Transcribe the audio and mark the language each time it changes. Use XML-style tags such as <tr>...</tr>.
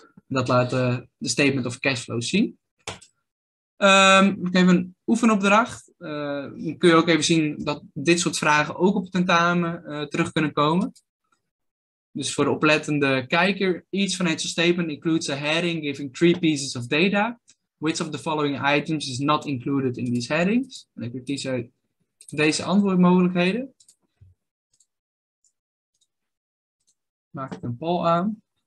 <nl>Dat laat de statement of cashflow zien. Even een oefenopdracht. Dan kun je ook even zien dat dit soort vragen ook op het tentamen terug kunnen komen. Dus voor de oplettende kijker.</nl> <en>Each financial statement includes a heading giving 3 pieces of data. Which of the following items is not included in these headings?</en> <nl>En ik kies uit deze antwoordmogelijkheden. Maak ik een poll aan.</nl>